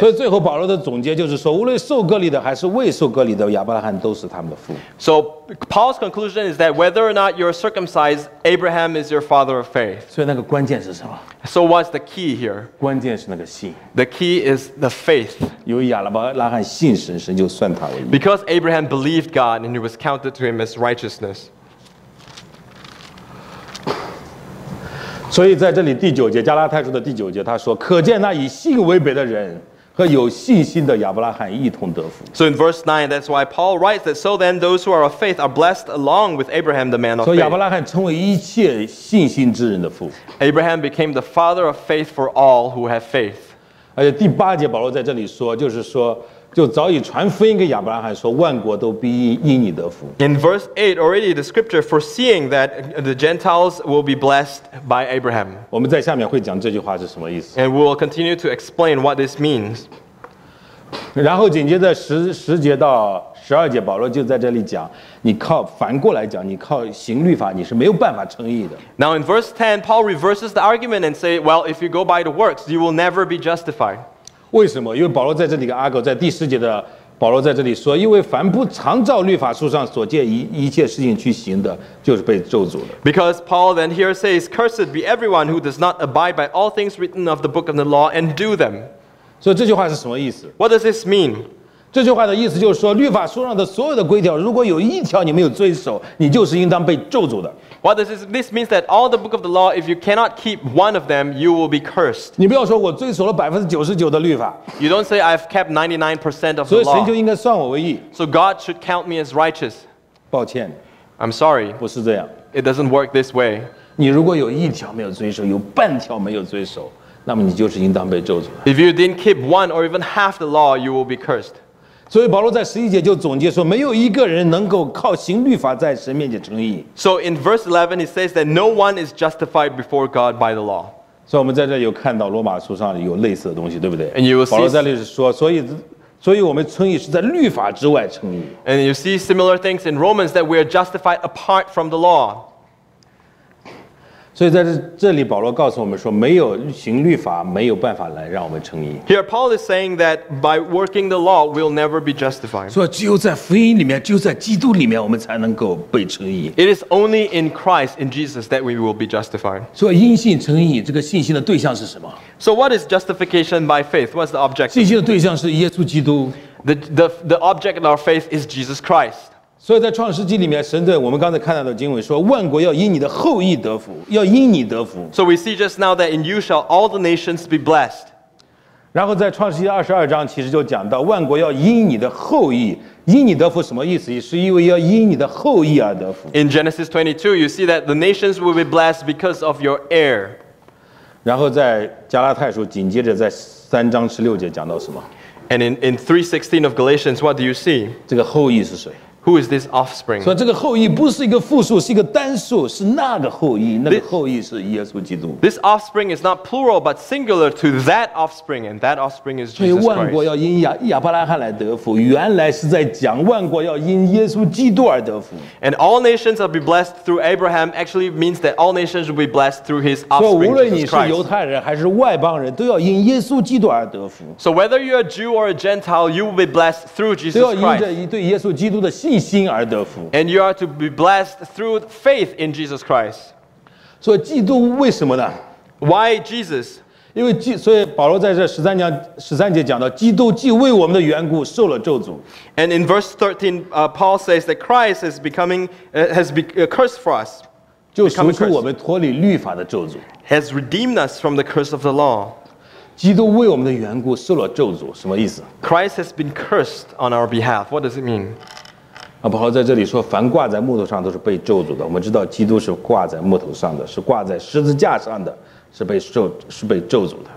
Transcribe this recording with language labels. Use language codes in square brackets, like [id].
[zh] 所以最后保罗的总结就是说，无论受割礼的还是未受割礼的，亚伯拉罕都是他们的父。 [en] So Paul's conclusion is that whether or not you're circumcised, Abraham is your father of faith. [zh] 所以那个关键是什么？ [en] So what's the key here? [zh] 关键是那个信。 [en] The key is the faith. [zh] 由亚伯拉罕信神，神就算他为义。 [en] Because Abraham believed God and it was counted to him as righteousness. [zh] 所以在这里第九节，加拉太书的第九节，他说：“可见那以信为本的人和有信心的亚伯拉罕一同得福。” [en] So in verse 9, that's why Paul writes that so then those who are of faith are blessed along with Abraham, the man of faith. [zh] 亚伯拉罕成为一切信心之人的父。 [en] Abraham became the father of faith for all who have faith. [zh] 而且第八节保罗在这里说，就是说就早已传福音给亚伯拉罕说万国都必因你得福。 [en] In verse 8, already the scripture foreseeing that the Gentiles will be blessed by Abraham. [zh] 我们在下面会讲这句话是什么意思。 [en] And we'll continue to explain what this means. [zh] 然后紧接着十节到十二节保罗就在这里讲，你靠反过来讲，你靠行律法你是没有办法称义的。 [en] Now in verse 10, Paul reverses the argument and say, well, if you go by the works, you will never be justified. [zh] 为什么？因为保罗在这里跟阿哥在第十节的保罗在这里说，因为凡不常照律法书上所诫一切事情去行的，就是被咒诅的。 [en] Because Paul then here says, "Cursed be everyone who does not abide by all things written of the book of the law and do them." [zh] 所以这句话是什么意思 [en] ？What does this mean? [zh] 这句话的意思就是说，律法书上的所有的规条，如果有一条你没有遵守，你就是应当被咒诅的。 [en] What does this means that all the book of the law, if you cannot keep one of them, you will be cursed. [zh] 你不要说我遵守了99%的律法。 [en] You don't say I've kept 99% of the law. [zh] 所以神就应该算我为义。 [en] So God should count me as righteous. [zh] 抱歉。 [en] I'm sorry. [zh] 不是这样。 [en] It doesn't work this way. [zh] 你如果有一条没有遵守，有半条没有遵守，那么你就是应当被咒诅。 [en] If you didn't keep one or even half the law, you will be cursed. [zh] 所以保罗在十一节就总结说，没有一个人能够靠行律法在神面前称义。 [en] So in verse 11, he says that no one is justified before God by the law. [zh] 所以我们在这有看到罗马书上有类似的东西，对不对？ [en] And you will see, [zh] 保罗在这里说，所以我们称义是在律法之外称义。 [en] And you see similar things in Romans that we are justified apart from the law. [zh] 所以在这里，保罗告诉我们说，没有行律法，没有办法来让我们称义。 [en] Here Paul is saying that by working the law, we'll never be justified. [zh] 所以只有在福音里面，只有在基督里面，我们才能够被称义。 [en] It is only in Christ, in Jesus, that we will be justified. [zh] 所以因信称义，这个信心的对象是什么？ [en] So what is justification by faith? What's the object? [zh] 信心的对象是耶稣基督。 [en] The object of our faith is Jesus Christ. [zh] 所以在创世纪里面，神对我们刚才看到的经文说，万国要因你的后裔得福，要因你得福。 [en] So we see just now that in you shall all the nations be blessed. [zh] 然后在创世纪22章，其实就讲到万国要因你的后裔，因你得福什么意思？是因为要因你的后裔而得福。 [en] In Genesis 22, you see that the nations will be blessed because of your heir. [zh] 然后在加拉太书紧接着在3章16节讲到什么？ [en] And in 3:16 of Galatians, what do you see? [zh] 这个后裔是谁？ [en] Who is this offspring? [zh] 所以这个后裔不是一个复数，是一个单数，是那个后裔，那个后裔是耶稣基督。 [en] This offspring is not plural but singular to that offspring, and that offspring is Jesus Christ. [zh] 所以万国要因亚伯拉罕来得福，原来是在讲万国要因耶稣基督而得福。 [en] And all nations will be blessed through Abraham actually means that all nations will be blessed through his offspring, Jesus Christ. [zh] 所以无论你是犹太人还是外邦人，都要因耶稣基督而得福。 [en] So whether you're a Jew or a Gentile, you will be blessed through Jesus Christ. [zh] 都要因着对耶稣基督的信。 [en] And you are to be blessed through faith in Jesus Christ. [zh] So, 基督为什么呢？ [en] Why Jesus? [zh] 因为基，所以保罗在这十三节讲到，基督既为我们的缘故受了咒诅。 [en] And in verse 13, Paul says that Christ is becoming has be cursed for us. [zh] 就赎出我们脱离律法的咒诅。 [en] Has redeemed us from the curse of the law. [zh] 基督为我们的缘故受了咒诅，什么意思？ [en] Christ has been cursed on our behalf. What does it mean? [zh] 保罗在这里说，凡挂在木头上都是被咒诅的。我们知道，基督是挂在木头上的，是挂在十字架上的，是被咒诅的。